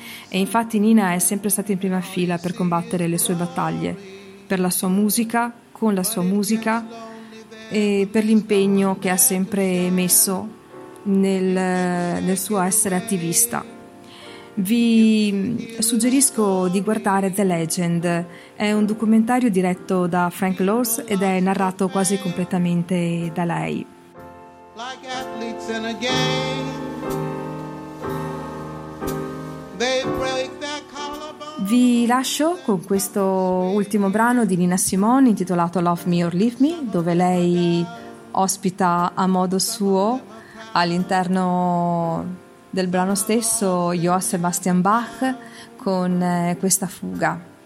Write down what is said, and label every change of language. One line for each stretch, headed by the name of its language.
Italian: E infatti Nina è sempre stata in prima fila per combattere le sue battaglie, per la sua musica, con la sua musica e per l'impegno che ha sempre messo nel suo essere attivista. Vi suggerisco di guardare The Legend. È un documentario diretto da Frank Lors ed è narrato quasi completamente da lei.
English: Like athletes in a game, they break their collarbone.
Italian: Vi lascio con questo ultimo brano di Nina Simone intitolato Love Me or Leave Me, dove lei ospita a modo suo all'interno del brano stesso Johann Sebastian Bach con questa fuga.